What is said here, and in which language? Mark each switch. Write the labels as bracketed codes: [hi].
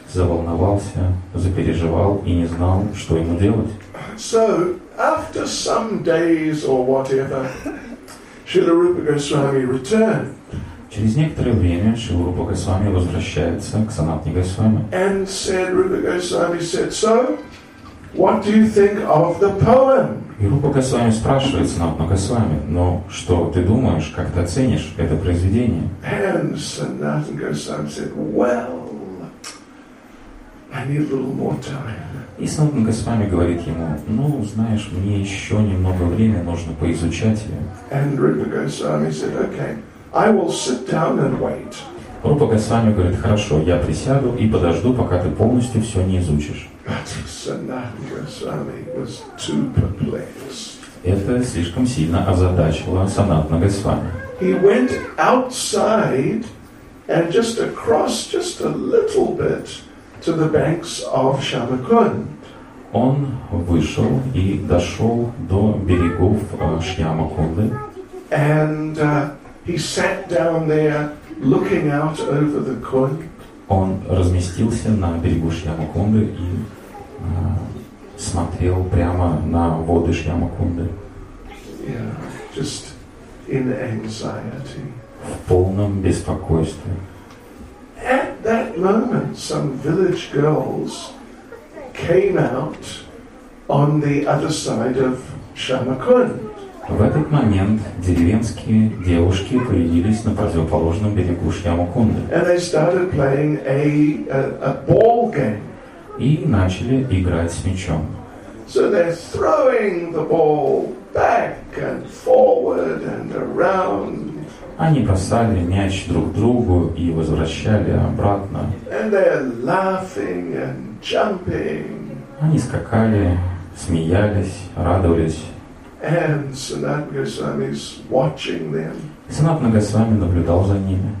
[ru] Заволновался, запереживал и не знал, что ему делать. [en] So, after some days or whatever, Srila Rupa Goswami returned. [ru] Через некоторое время Шрила Рупа Госвами возвращается к Санатане Госвами. [en] And said, Rupa Goswami said, "So, what do you think of the poem?" [ru] И Рупа Госвами спрашивает Санатану Госвами: "Ну, что ты думаешь, как ты оценишь это произведение?" [en] And Sanatan Goswami said, "Well, I need a little more time." [ru] И Санатан Госвами говорит ему: "Ну, знаешь, мне еще немного времени нужно поизучать ее." [en] And Rupa Goswami said, "Okay, I will sit down and wait." [ru] Рупа Госвами говорит: "Хорошо, я присяду и подожду, пока ты полностью все не изучишь." [en] But Sanatan Goswami was too perplexed. [ru] Это слишком сильно озадачило Санатана Госвами. [en] He went outside and just across just a little bit to the banks of Shyamakund. [ru] Он вышел и дошел до берегов Шьямакунды. [en] And he sat down there, looking out over the Kund. [ru] Он разместился на берегу Шьямакунды и смотрел прямо на воды Шьямакунды. [en] Yeah, just in anxiety. [ru] В полном беспокойстве. [en] At that moment, some village girls came out on the other side of Shamakund. [ru] В этот момент деревенские девушки появились на противоположном берегу Шьямакунды. [en] And they started playing a ball game. [ru] И начали играть с мячом. [en] So they're throwing the ball back and forward and around. [ru] Они бросали мяч друг другу и возвращали обратно. [en] And they're laughing and jumping. [ru] Они скакали, смеялись, радовались. [en] And Sanat Goswami is watching them. [ru] Санат Нагасвами наблюдал за ними.